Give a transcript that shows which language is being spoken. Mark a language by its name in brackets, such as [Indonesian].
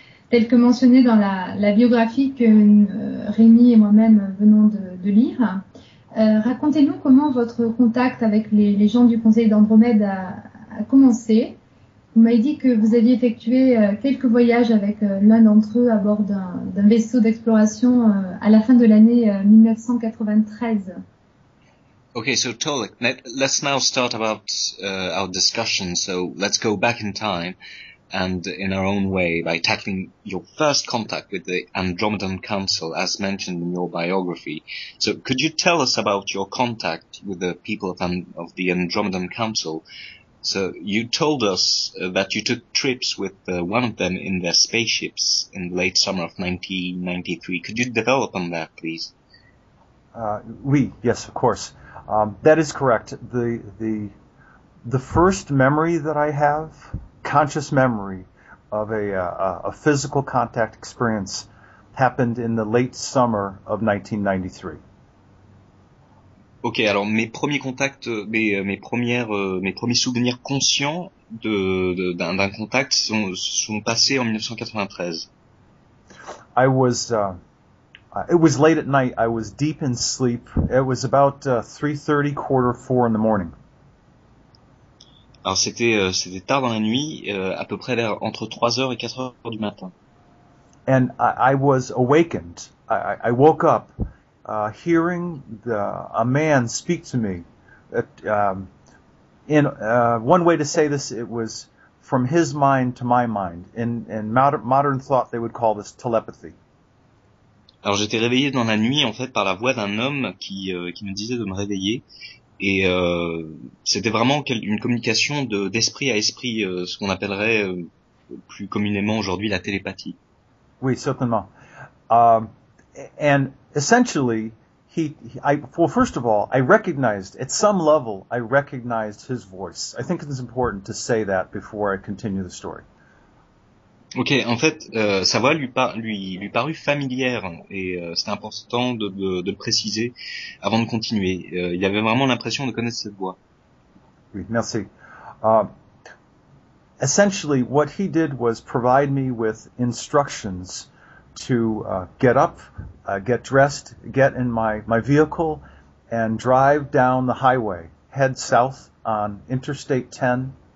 [French] Tel que mentionné dans la biographie que Rémi et moi-même venons de lire, racontez-nous comment votre contact avec les gens du Conseil d'Andromède a commencé. Vous m'avez dit que vous aviez effectué quelques voyages avec l'un d'entre eux à bord d'un vaisseau d'exploration à la fin de l'année 1993. [English] Okay, so Tolek, let's now start about our discussion. So let's go back in time and in our own way by tackling your first contact with the Andromedan Council as mentioned in your biography. So could you tell us about your contact with the people of the Andromedan Council? So you told us that you took trips with one of them in their spaceships in the late summer of 1993. Could you develop on that, please? [French] Oui, [English] yes, of course. That is correct. The first memory that I have, conscious memory of a physical contact experience, happened in the late summer of 1993. [French] Ok, alors mes premiers contacts, mes premiers souvenirs conscients d'un contact sont passés en 1993. [English] It was late at night. I was deep in sleep. It was about 3:30, quarter four in the morning. [French] Alors c'était tard dans la nuit, à peu près vers entre 3h et 4h du matin. [English] And I was awakened. I woke up hearing a man speak to me. One way to say this, it was from his mind to my mind. In modern thought, they would call this telepathy. [French] Alors j'étais réveillé dans la nuit en fait par la voix d'un homme qui me disait de me réveiller et c'était vraiment une communication d'esprit à esprit, ce qu'on appellerait plus communément aujourd'hui la télépathie. Oui, certainement. [English] And essentially, first of all, I recognized at some level, I recognized his voice. I think it's important to say that before I continue the story. [French] Ok, en fait, sa voix lui parut familière et c'était important de le préciser avant de continuer. Il avait vraiment l'impression de connaître cette voix. Oui, merci. [English] Essentially, what he did was provide me with instructions to get up, get dressed, get in my vehicle, and drive down the highway, head south on Interstate 10.